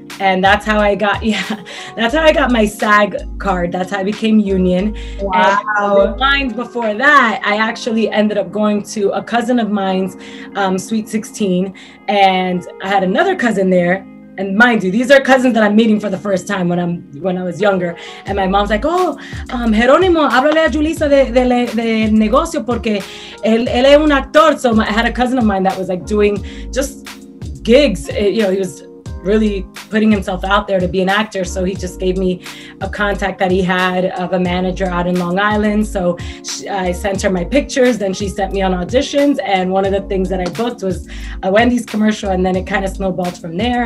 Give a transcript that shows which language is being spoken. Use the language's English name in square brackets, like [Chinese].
[English] And that's how I got, my SAG card. That's how I became union. Wow. And mind before that, I actually ended up going to a cousin of mine's Sweet 16. And I had another cousin there. And mind you, these are cousins that I'm meeting for the first time when I was younger. And my mom's like, [Spanish] Jerónimo, háblale a Julissa de negocio porque él es un actor. [English] So I had a cousin of mine that was like doing just gigs. He was really putting himself out there to be an actor. So he just gave me a contact that he had of a manager out in Long Island. So I sent her my pictures. Then she sent me on auditions. And one of the things that I booked was a Wendy's commercial. And then it kind of snowballed from there.